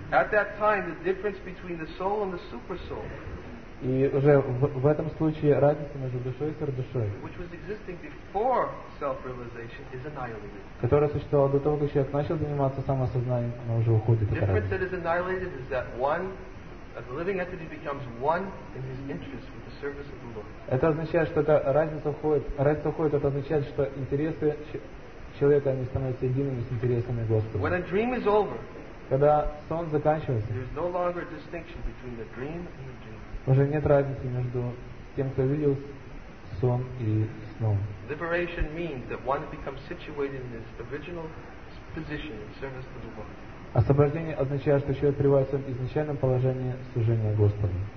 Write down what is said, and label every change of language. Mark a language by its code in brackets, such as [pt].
[en] At that time, the difference between the soul and the super soul, [ru] и уже в этом случае разница между душой и сверхдушой, [en] which was existing before self-realization, is annihilated. [ru] Которая существовала до того, как человек начал заниматься самосознанием, она уже уходит от разницы. [en] That is annihilated is that one, the living entity becomes one in his interest with the service of the Lord. [ru] Это означает, что эта разница уходит. Разница уходит, это означает, что интересы человека они становятся едиными с интересами Господа. [en] When a dream is over, [ru] когда сон заканчивается, [en] there is no longer a distinction between the dream and the dream. [ru] Уже нет разницы между тем, кто видел сон и сном. [en] Liberation means that one becomes situated in his original position in service to the Lord. [ru] Освобождение означает, что человек пребывает в своем изначальном положении служения Господу.